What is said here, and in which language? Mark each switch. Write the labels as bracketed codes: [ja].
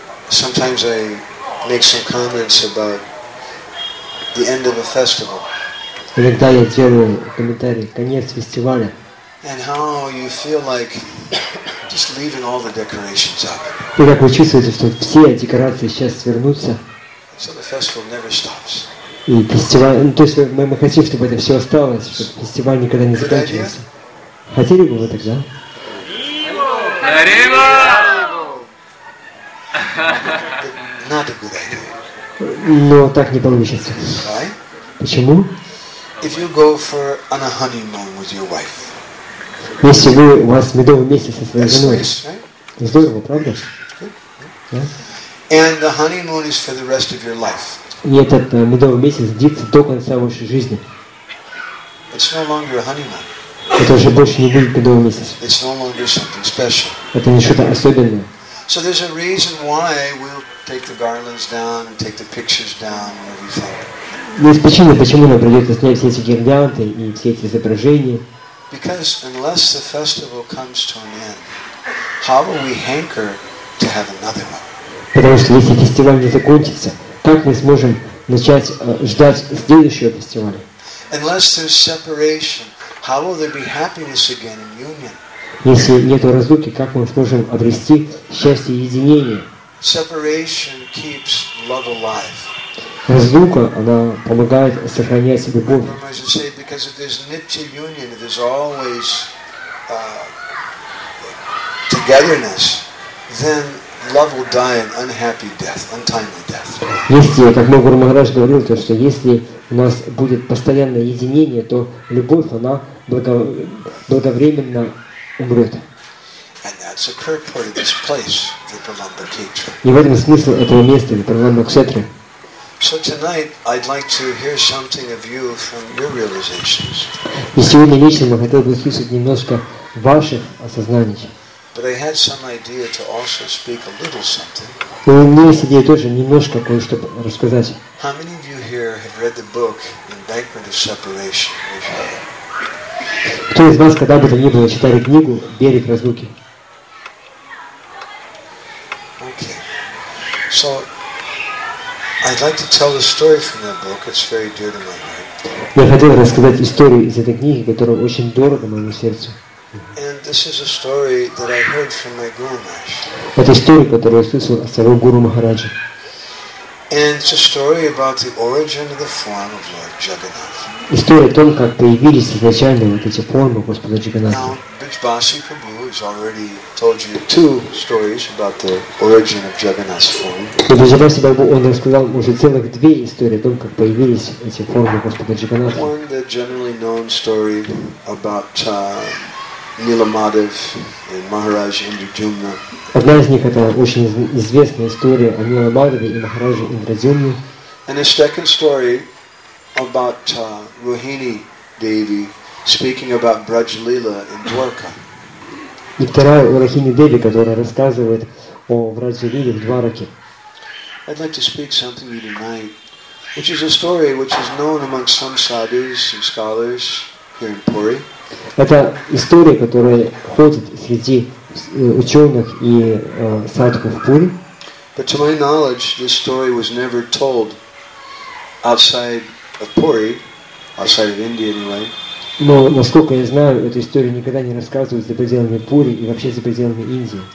[en] Sometimes I make some comments about the end of a festival. [ru] Иногда я делаю комментарий, конец фестиваля. [en] And how you feel like just leaving all the decorations up. [ru] И как вы чувствуете, что все декорации сейчас свернутся? [en] So the festival never stops. [ru] И фестиваль, ну, то есть мы хотим, чтобы это все осталось, чтобы фестиваль никогда не заканчивался. Хотели бы вы тогда? [es] Arriba! [en] Not a good idea. [ru] Но так не получится. [en] Why? [ru] Почему? [en] If you go for on a honeymoon with your wife. [ru] Если вы, у вас медовый месяц со своей женой. [en] Nice, right? [ru] Здорово, правда? [en] Okay. Yeah. And the honeymoon is for the rest of your life. [ru] И этот медовый месяц длится до конца вашей жизни. [en] It's no longer a honeymoon. [ru] Это уже больше не будет медовый месяц. [en] It's no longer something special. [ru] Это не что-то особенное. [en] So there's a reason why we'll take the garlands down and take the pictures down and everything. [ru] Есть причина, почему нам придется снять все эти гирлянды и все эти изображения. [en] Because unless the festival comes to an end, how will we hanker to have another one? [ru] Потому что если фестиваль не закончится, как мы сможем начать ждать следующего фестиваля? [en] Unless there's separation, how will there be happiness again in union? [ru] Если нет разлуки, как мы сможем обрести счастье и единение? [en] Separation keeps love alive. [ru] Разлука, она помогает сохранять любовь. [en] As I say, because if there's nitya union, if there's always togetherness, then love will die an unhappy death, untimely death. [ru] Если, как мой Гуру Махарадж говорил, то что если у нас будет постоянное единение, то любовь, она благовременно умрет. [en] And that's a purport of this place, Vipralamba Kshetra. [ru] И в этом смысл этого места, Vipralamba Kshetra. [en] So tonight I'd like to hear something of you from your realizations. [ru] И сегодня лично мы хотели бы услышать немножко ваших осознаний. [en] But I had some idea to also speak a little something. [ru] И у меня есть идея тоже немножко кое-что рассказать. [en] How many of you here have read the book Embankment of Separation? [ru] Кто из вас, когда бы то ни было, читали книгу «Берег разлуки»? [en] Okay. So, I'd like to tell the story from that book. It's very dear to my heart. [ru] Я хотел рассказать историю из этой книги, которая очень дорога моему сердцу. [en] And this is a story that I heard from my Guru Maharaj. [ru] Это история, которую я слышал от своего Гуру Махараджа. [en] And it's a story about the origin of the form of Lord Jagannath. [ru] История о том, как появились изначально вот эти формы Господа Джагнатха. [en] Now, Vrijbasi Prabhu has already told you two stories about the origin of Jagannath's form. [ru] Vrijbasi Prabhu, он рассказал уже целых две истории о том, как появились эти формы Господа Джагнатха. [en] One, the generally known story about Nilamadev and Maharaj Indrajumna. [ru] Одна из них — это очень известная история о Ниламадеве и Махарадже Индраджумне. [en] And a second story about Rohini Devi speaking about Braj Lila in Dwarka. [ru] И вторая — Рохини Деви, которая рассказывает о Брадже Лиле в Двараке. [en] I'd like to speak something to you tonight, which is a story which is known among some sadhus and scholars here in Puri. [ru] Это история, которая ходит среди ученых и садху в Пури. [en] But to my knowledge, this story was never told outside of Puri, outside of India anyway. [ru] Но, насколько я знаю, эту историю никогда не рассказывают за пределами Пури и вообще за пределами Индии.